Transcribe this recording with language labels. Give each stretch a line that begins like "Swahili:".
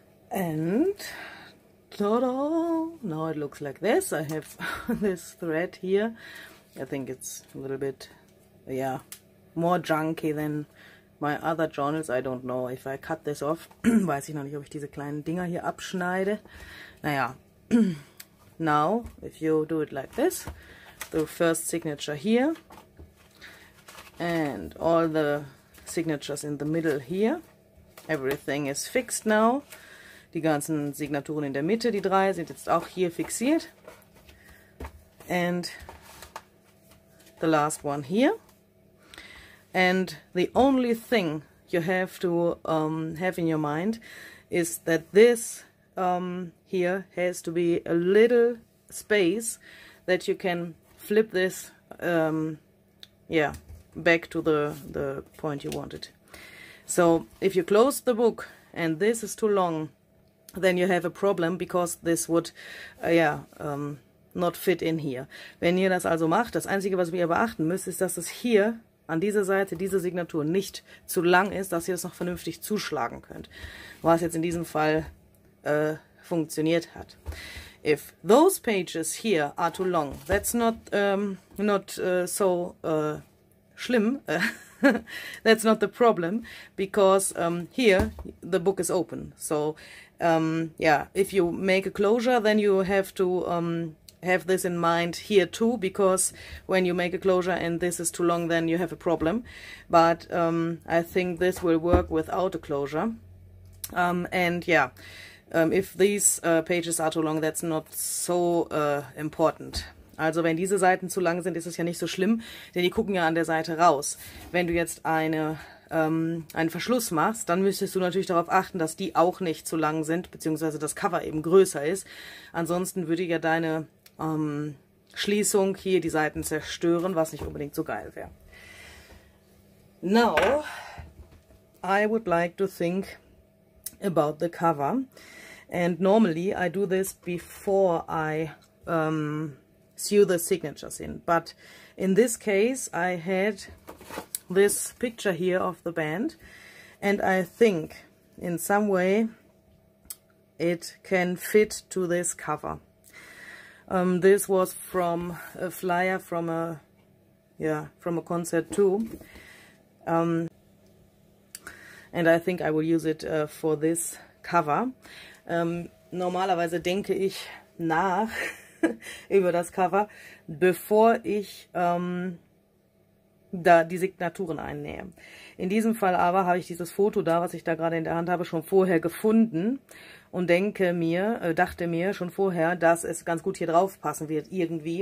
English: And ta-da! Now it looks like this. I have this thread here. I think it's a little bit, yeah, more junky than my other journals. I don't know if I cut this off.
German: Weiß ich noch nicht, ob ich diese kleinen Dinger hier abschneide. Naja.
English: Now, if you do it like this, the first signature here, and all the signatures in the middle here, everything is fixed now.
German: Die ganzen Signaturen in der Mitte, die drei, sind jetzt auch hier fixiert.
English: And the last one here. And the only thing you have to have in your mind is that this here has to be a little space that you can flip this back to the point you wanted. So if you close the book and this is too long, then you have a problem, because this would not fit in here.
German: Wenn ihr das also macht, das Einzige, was ihr beachten müsst, ist, dass es hier an dieser Seite, diese Signatur, nicht zu lang ist, dass ihr das noch vernünftig zuschlagen könnt. Was jetzt in diesem Fall funktioniert hat.
English: If those pages here are too long, that's not
German: schlimm.
English: That's not the problem, because here the book is open. So if you make a closure, then you have to have this in mind here too, because when you make a closure and this is too long, then you have a problem. But I think this will work without a closure. If these pages are too long, that's not so important.
German: Also wenn diese Seiten zu lang sind, ist es ja nicht so schlimm, denn die gucken ja an der Seite raus. Wenn du jetzt einen Verschluss machst, dann müsstest du natürlich darauf achten, dass die auch nicht zu lang sind, beziehungsweise das Cover eben größer ist. Ansonsten würde ja deine Schließung hier die Seiten zerstören, was nicht unbedingt so geil wäre.
English: Now, I would like to think about the cover. And normally I do this before I sew the signatures in. But in this case I had this picture here of the band, and I think in some way it can fit to this cover. This was from a flyer from a concert too, and I think I will use it for this cover.
German: Normalerweise denke ich nach über das Cover, bevor ich da die Signaturen einnähe. In diesem Fall aber habe ich dieses Foto da, was ich da gerade in der Hand habe, schon vorher gefunden und dachte mir schon vorher, dass es ganz gut hier drauf passen wird irgendwie.